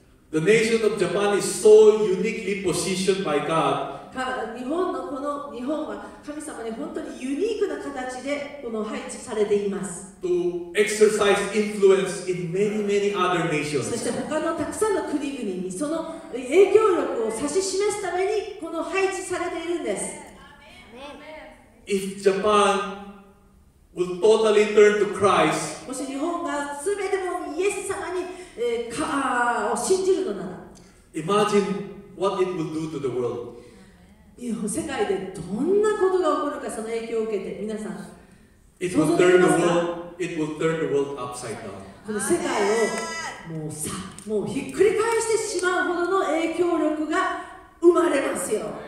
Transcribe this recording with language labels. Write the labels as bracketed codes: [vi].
[en] The nation of Japan is so uniquely positioned by God. [ja] 日本のこの日本は神様に本当にユニークな形でこの配置されています。 [en] To exercise influence in many, many other nations. [ja] そして他のたくさんの国々にその影響力を指し示すためにこの配置されているんです。 [en] If Japan would totally turn to Christ, [ja] もし日本が全てのイエス様に、を信じるのなら、 [en] Imagine what it would do to the world. [ja] 世界でどんなことが起こるか、その影響を受けて皆さん [en] It will turn the world, it will turn the world upside down. [ja] この世界をもうさ、もうひっくり返してしまうほどの影響力が生まれますよ。